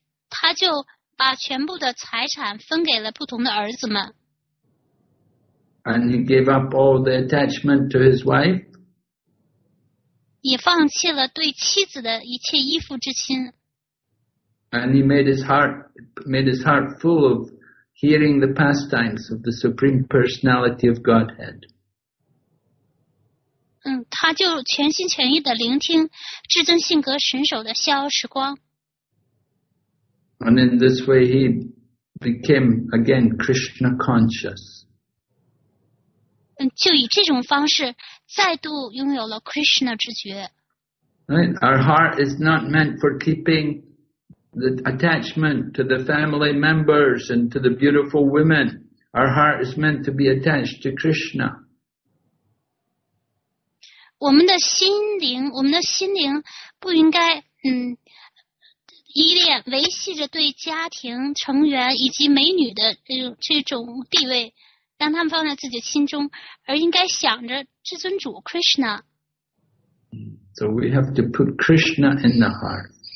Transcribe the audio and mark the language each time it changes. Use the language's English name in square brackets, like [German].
[Chinese] 他就把全部的财产分给了不同的儿子们。 [English] And he gave up all the attachment to his wife. [Chinese] 也放弃了对妻子的一切依附之心。 [English] And he made his heart full of hearing the pastimes of the Supreme Personality of Godhead. [Chinese] 他就全心全意地聆听至尊性格神手的逍遥时光。 [English] And in this way, he became again Krishna conscious. [Chinese] 就以这种方式再度拥有了 Krishna 之觉。 [English] Right? Our heart is not meant for keeping the attachment to the family members and to the beautiful women. Our heart is meant to be attached to Krishna. [Chinese] 我们的心灵，不应该依恋维系着对家庭成员以及美女的这种地位，让他们放在自己心中，而应该想着至尊主 Krishna。 [English] So we have to put Krishna in the heart.